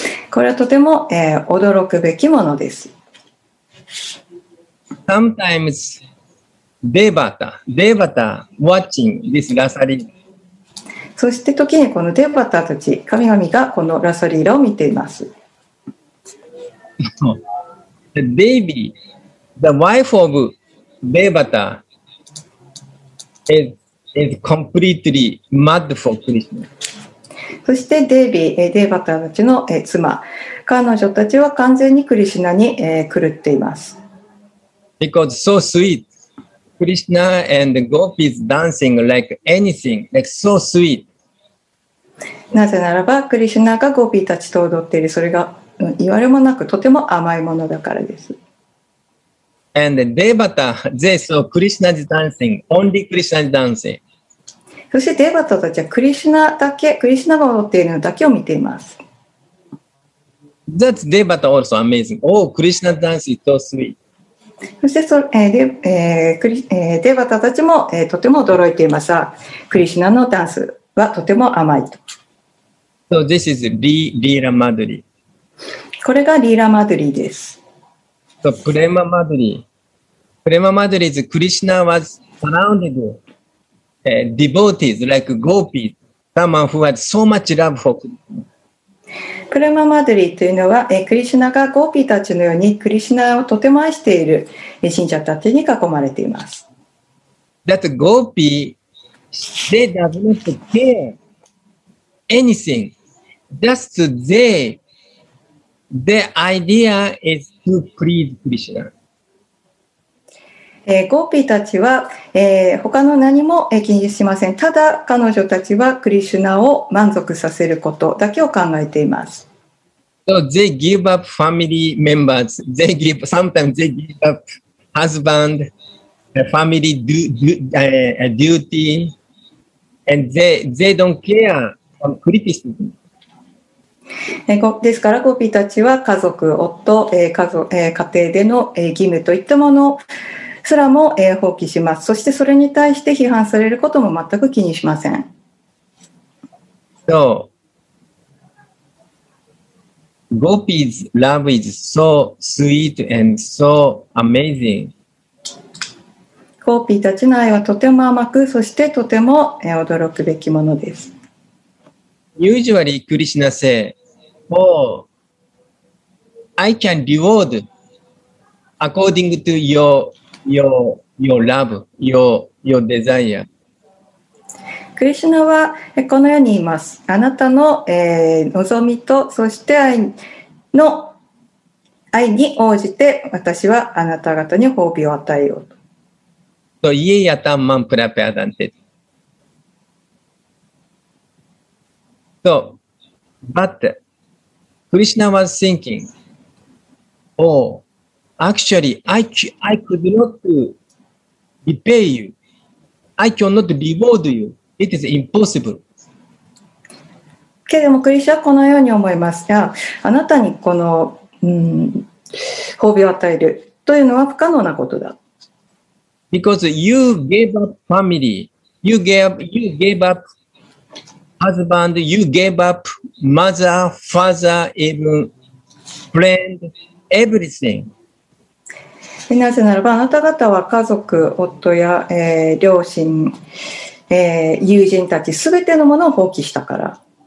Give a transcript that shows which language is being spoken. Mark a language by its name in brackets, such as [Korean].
[Japanese] これはとても、驚くべきものです。 [English] Sometimes Devata watching this ラサリーラ。 [Japanese] そして時にこのデバタたち、神々がこのラサリーラを見ています。 [English] The baby, the wife of Devata, is completely mad for Krishna. [Japanese] そしてデイビー、デイバタたちの妻、彼女たちは完全にクリシナに狂っています。 [English] Because so sweet, Krishna and Gopis dancing like anything, like so sweet. [Japanese] なぜならば、クリシナがゴピーたちと踊っている、それが言われもなくとても甘いものだからです。 [English] And Devata, they saw Krishna dancing, only Krishna dancing. [Japanese] そしてデーバタたちはクリシナだけ、クリシナが踊っているのだけを見ています。 [English] That's Devata also amazing. Oh, Krishna dance is so sweet. [Japanese] そしてそ、デバタたちも、とても驚いていますが、クリシナのダンスはとても甘いと。 [English] So、this is リーラ・マドリー。 [Japanese] これがリーラ・マドリーです。 [English] So、プレマ・マドリー。プレマ・マドリーズ、クリシナ was surrounded with devotees like gopis, someone who had so much love for Krishna. [Japanese] プレママドリーというのは、クリシナがゴーピーたちのようにクリシナをとても愛している信者たちに囲まれています。 [English] That gopi, they does not care anything. Just they, their idea is to please Krishna. [Japanese] ゴーピーたちは、他の何も気にしません。ただ彼女たちはクリシュナを満足させることだけを考えています。 [English] So they give up family members. They give sometimes they give up husband, family duty, and they don't care from criticism. [Japanese] ですからゴーピーたちは家族、夫、家庭での義務といったものをそれも放棄します。そしてそれに対して批判されることも全く気にしません。 [English] So, Gopi's love is so sweet and so amazing. [Japanese] ゴーピーたちの愛はとても甘く、そしてとても驚くべきものです。 [English] Usually, Krishna says, Oh, I can reward according to your love, your desire. [Japanese] クリシナはこのように言います。あなたの、望みとそして愛に応じて私はあなた方に褒美を与えようと。 [Sanskrit] と、イエヤタンマンプラペアダンテ。 [English] と、but クリシナ was thinking, Actually, I could not repay you. I cannot reward you. It is impossible. [Japanese] けれども、クリシナはこのように思います。いや、あなたにこの、褒美を与えるというのは不可能なことだ。 [English] Because you gave up family, you gave up husband, you gave up mother, father, even friend, everything. [Japanese] なぜならば、あなた方は家族、夫や、両親、友人たち、すべてのものを放棄したから。